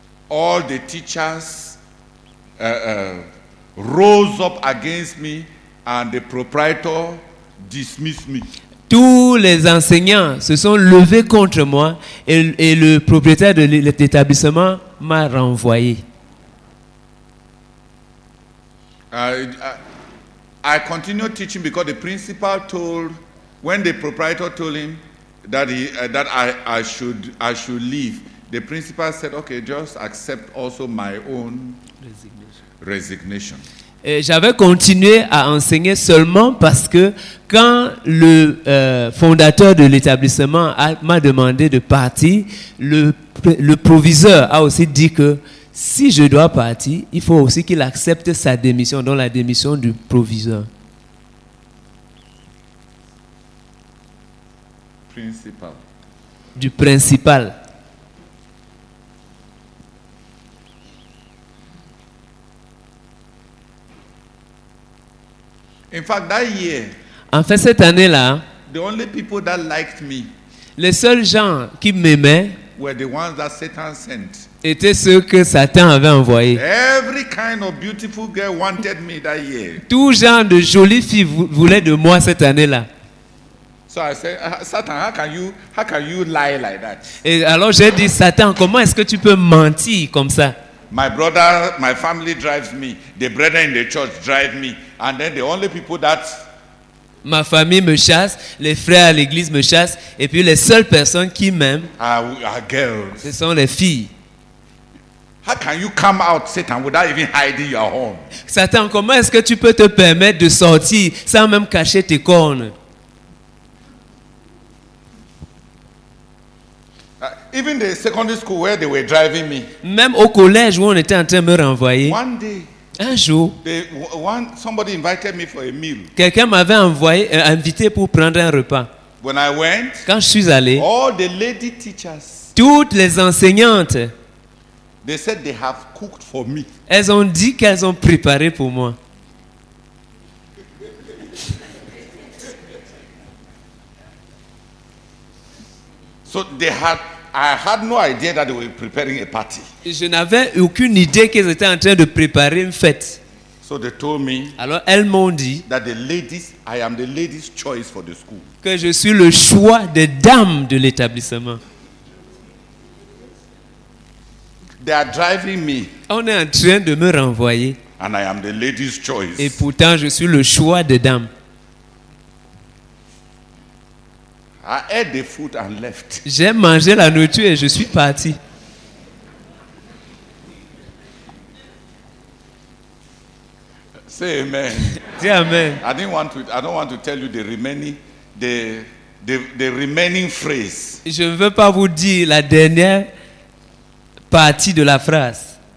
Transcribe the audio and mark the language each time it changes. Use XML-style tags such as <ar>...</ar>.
<en>All the teachers rose up against me and the proprietor dismissed me.</en> <fr>Tous les enseignants se sont levés contre moi et le propriétaire de l'établissement m'a renvoyé.</fr> <en>I continued teaching because the principal told when the proprietor told him that I should leave. The principal said, okay, just accept also my own resignation.</en> <fr>Et j'avais continué à enseigner seulement parce que quand le fondateur de l'établissement m'a demandé de partir, le proviseur a aussi dit que si je dois partir, il faut aussi qu'il accepte sa démission, donc la démission du proviseur.</fr> <en>Principal.</en> <fr>Du principal.</fr> <en>In fact, that year,</en> <fr>en fait, cette année-là,</fr> <en>the only people that liked me,</en> <fr>les seuls gens qui m'aimaient</fr> <en>were the ones that Satan sent.</en> <fr>Étaient ceux que Satan avait envoyés.</fr> <en>Every kind of beautiful girl wanted me that year.</en> <fr>Tout genre de jolie fille voulait de moi cette année-là.</fr> <en>So I said, Satan, how can you lie like that?</en> <fr>Et alors j'ai dit, Satan, comment est-ce que tu peux mentir comme ça?</fr> <en>My brother, my family drives me. The brethren in the church drive me. And then the only people that</en> <fr>ma famille me chasse, les frères à l'église me chassent, et puis les seules personnes qui m'aiment</fr> <en>are girls.</en> <fr>Ce sont les filles.</fr> <en>How can you come out, Satan, without even hiding your horn?</en> <fr>Satan, comment est-ce que tu peux te permettre de sortir sans même cacher tes cornes?</fr> <en>Even the secondary school where they were driving me.</en> <fr>Même au collège où on était en train de me renvoyer.</fr> <en>One day.</en> <fr>Un jour,</fr> <en>somebody invited me for a meal.</en> <fr>Quelqu'un m'avait envoyé, invité pour prendre un repas.</fr> <en>When I went,</en> <fr>quand je suis allé,</fr> <en>all the lady teachers,</en> <fr>toutes les enseignantes,</fr> <en>they said they have cooked for me.</en> <fr>Elles ont dit qu'elles ont préparé pour moi.</fr> <en>So they had. I had no idea that they were preparing a party.</en> <fr>Je n'avais aucune idée qu'ils étaient en train de préparer une fête.</fr> <en>So they told me.</en> <fr>Alors elles m'ont dit</fr> <en>that the ladies, I am the ladies' choice for the school.</en> <fr>Que je suis le choix des dames de l'établissement.</fr> <en>They are driving me.</en> <fr>On est en train de me renvoyer.</fr> <en>And I am the ladies' choice.</en> <fr>Et pourtant je suis le choix des dames.</fr> <en>I ate the food and left.</en> <fr>J'ai mangé la nourriture et je suis parti.</fr> <en>Say amen.</en> <fr>Dis amen.</fr> <en>I didn't want to. I don't want to tell you the remaining phrase.</en> <fr>Je ne veux pas vous dire la dernière partie de la phrase.</fr>